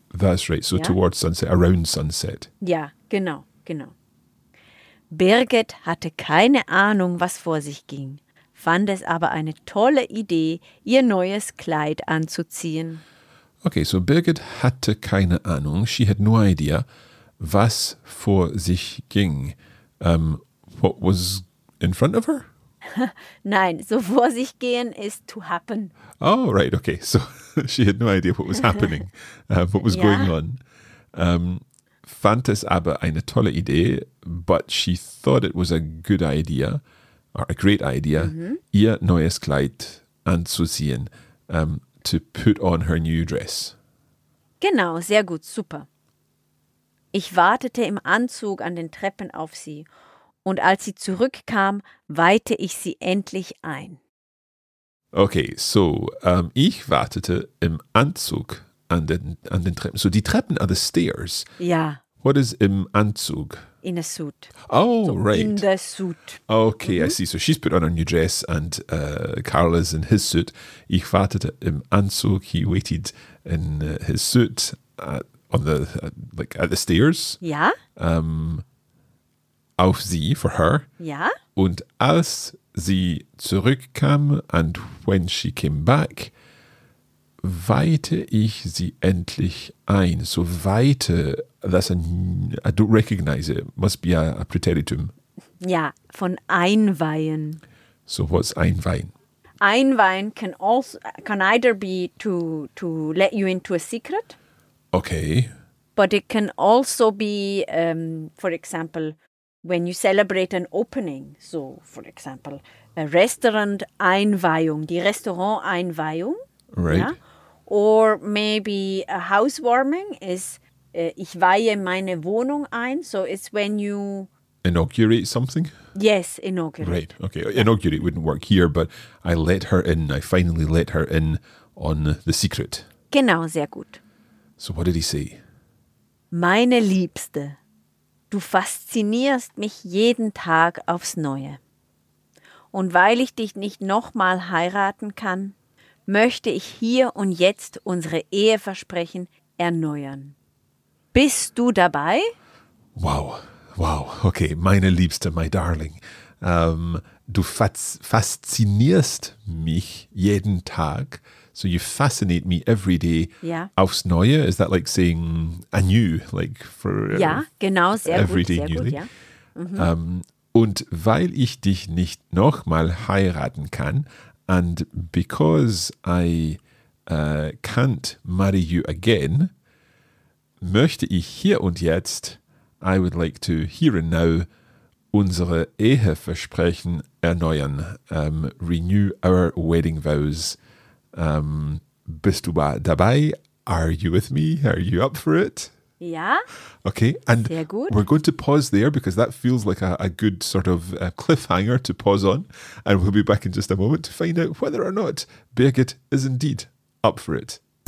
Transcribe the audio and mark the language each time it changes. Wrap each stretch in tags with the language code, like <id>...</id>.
<en>That's right, so towards sunset, around sunset.</en> <de>Ja, genau, genau. Birgit hatte keine Ahnung, was vor sich ging, fand es aber eine tolle Idee, ihr neues Kleid anzuziehen. Okay, so Birgit hatte keine Ahnung,</de> <en>she had no idea,</en> <de>was vor sich ging.</de> <en>What was in front of her?</en> <de>Nein, so vor sich gehen ist</de> <en>to happen. Oh, right, okay. So she had no idea what was happening, what was going on.</en> <de>Fand es aber eine tolle Idee,</de> <en>but she thought it was a good idea, or a great idea, mm-hmm.</en> <de>ihr neues Kleid anzuziehen,</de> <en>to put on her new dress.</en> <de>Genau, sehr gut, super. Ich wartete im Anzug an den Treppen auf sie und als sie zurückkam, weihte ich sie endlich ein. Okay, so, ich wartete im Anzug an den Treppen.</de> <en>So, die Treppen are the stairs.</en> <de>Ja.</de> <en>What is im Anzug? In a suit. Oh, so, right. In the suit. Okay, mm-hmm. I see. So, she's put on her new dress and Carl is in his suit.</en> <de>Ich wartete im Anzug.</de> <en>He waited in his suit at the stairs.</en> <de>Ja. Auf sie,</de> <en>for her.</en> <de>Ja. Und als sie zurückkam,</de> <en>and when she came back,</en> <de>weihte ich sie endlich ein.</de> <en>So weihte, I don't recognize it. Must be a preteritum.</en> <de>Ja, von einweihen.</de> <en>So what's einweihen? Einweihen can either be to let you into a secret. Okay. But it can also be, for example, when you celebrate an opening. So, for example, a restaurant Einweihung, die Restaurant Einweihung. Right. Ja? Or maybe a housewarming is,</en> <de>ich weihe meine Wohnung ein.</de> <en>So it's when you... Inaugurate something? Yes, inaugurate. Right, okay. Inaugurate wouldn't work here, but I let her in. I finally let her in on the secret.</en> <de>Genau, sehr gut.</de> <en>So what did he say?</en> <de>Meine Liebste, du faszinierst mich jeden Tag aufs Neue. Und weil ich dich nicht nochmal heiraten kann, möchte ich hier und jetzt unsere Eheversprechen erneuern. Bist du dabei?</de> <en>Wow, wow, okay,</en> <de>meine Liebste,</de> <en>my darling.</en> <de>Du faszinierst mich jeden Tag.</de> <en>So you fascinate me every day. Yeah. Aufs Neue, is that like saying anew, like for genau, sehr every gut, day sehr newly?</en> <de>Gut, ja. Mm-hmm. Und weil ich dich nicht nochmal heiraten kann,</de> <en>and because I can't marry you again,</en> <de>möchte ich hier und jetzt,</de> <en>I would like to here and now,</en> <de>unsere Eheversprechen erneuern,</de> <en>renew our wedding vows.</en> <de>Bist du dabei?</de> <en>Are you with me? Are you up for it? Yeah. Okay. And we're going to pause there because that feels like a good sort of a cliffhanger to pause on. And we'll be back in just a moment to find out whether or not Birgit is indeed up for it.</en>